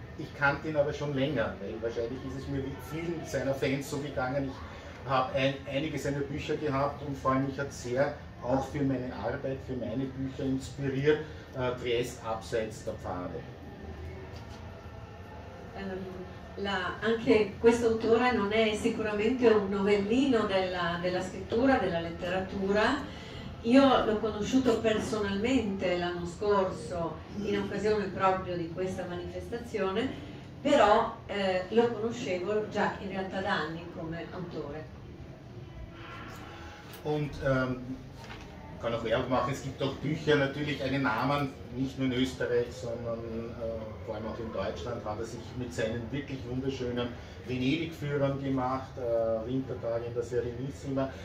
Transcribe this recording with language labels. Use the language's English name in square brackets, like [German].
[German] Ich kannte ihn aber schon länger, weil wahrscheinlich ist es mir wie vielen seiner Fans so gegangen. Ich habe einige seiner Bücher gehabt und vor allem mich hat sehr auch für meine Arbeit, für meine Bücher inspiriert, Triest abseits der Pfade. [Italian] Anche questo autore non è sicuramente un novellino della scrittura, della letteratura. Io l'ho conosciuto personalmente l'anno scorso in occasione proprio di questa manifestazione, però lo conoscevo già in realtà da anni come autore. [German] Und kann auch Werbung machen, es gibt auch Bücher, natürlich einen Namen, nicht nur in Österreich, sondern vor allem auch in Deutschland, hat er sich mit seinen wirklich wunderschönen Venedigführern gemacht, Wintertage in der Serenissima.